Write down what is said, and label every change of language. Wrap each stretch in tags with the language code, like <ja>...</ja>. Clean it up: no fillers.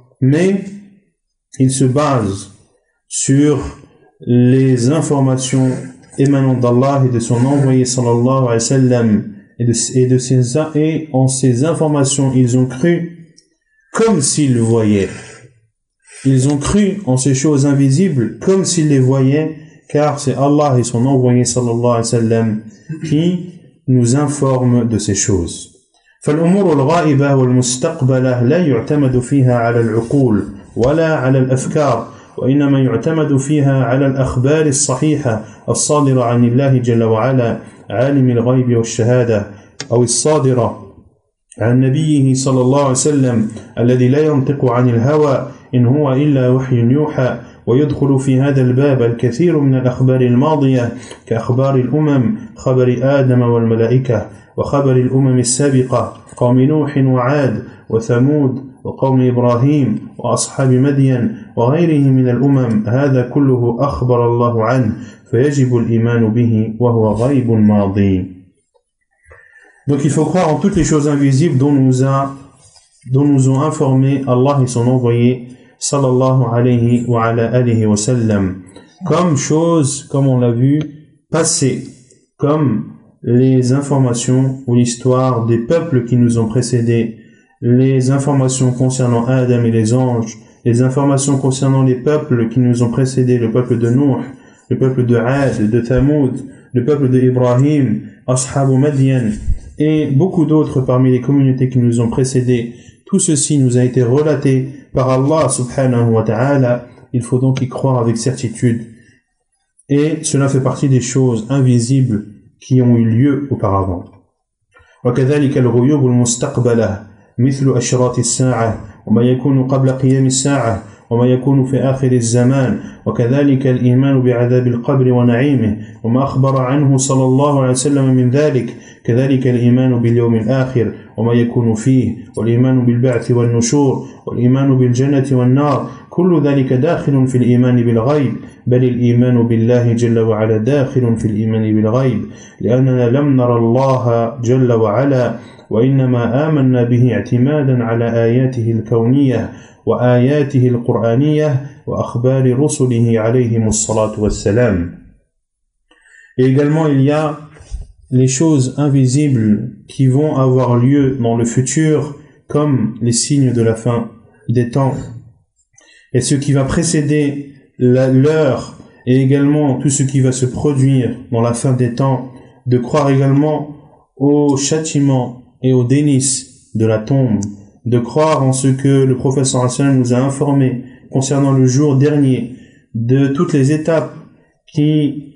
<fr>Mais ils se basent sur les informations émanant d'Allah et de son envoyé sallallahu alayhi wa sallam et en ces informations ils ont cru comme s'ils voyaient. Ils ont cru en ces choses invisibles comme s'ils les voyaient, car c'est Allah et son envoyé sallallahu alayhi wa sallam qui nous informent de ces choses.</fr> <ar>فالأمور الغائبة والمستقبلة لا يعتمد فيها على العقول ولا على الأفكار وإنما يعتمد فيها على الأخبار الصحيحة الصادرة عن الله جل وعلا عالم الغيب والشهادة أو الصادرة عن نبيه صلى الله عليه وسلم الذي لا ينطق عن الهوى إن هو إلا وحي يوحى ويدخل في هذا الباب الكثير من الأخبار الماضية كأخبار الأمم خبر آدم والملائكة وخبر الأمم السابقة قوم نوح وعاد وثمود وقوم إبراهيم وأصحاب مدين وغيره من الأمم هذا كله أخبر الله عنه فيجب الإيمان به وهو غيب ماضي.</ar> <fr>Donc il faut croire en toutes les choses invisibles dont nous ont informé Allah et son envoyé sallallahu alayhi wa ala alihi wa sallam, comme choses, comme on l'a vu, passées, comme les informations ou l'histoire des peuples qui nous ont précédés, les informations concernant Adam et les anges, les informations concernant les peuples qui nous ont précédés, le peuple de Nuh, le peuple de Ad, de Thamud, le peuple de Ibrahim, Ashabu Madian, et beaucoup d'autres parmi les communautés qui nous ont précédés. Tout ceci nous a été relaté par Allah subhanahu wa ta'ala. Il faut donc y croire avec certitude. Et cela fait partie des choses invisibles qui ont eu lieu auparavant.</fr> <ar>وكذلك الغيوب المستقبلة مثل أشراط الساعة وما يكون قبل قيام الساعة وما يكون في آخر الزمان وكذلك الإيمان بعذاب القبر ونعيمه وما أخبر عنه صلى الله عليه وسلم من ذلك كذلك الإيمان باليوم الآخر وما يكون فيه والإيمان بالبعث والنشور والإيمان بالجنة والنار كل ذلك داخل في الإيمان بالغيب بل الإيمان بالله جل وعلا داخل في الإيمان بالغيب لأننا لم نرى الله جل وعلا وإنما آمنا به اعتمادا على آياته الكونية وآياته القرآنية وأخبار رسله عليهم الصلاة والسلام.</ar> <fr>Également il y a les choses invisibles qui vont avoir lieu dans le futur comme les signes de la fin des temps et ce qui va précéder l'heure et également tout ce qui va se produire dans la fin des temps, de croire également au châtiment et au délice de la tombe, de croire en ce que le prophète sallallahu alayhi wa sallam nous a informé concernant le jour dernier, de toutes les étapes que</fr>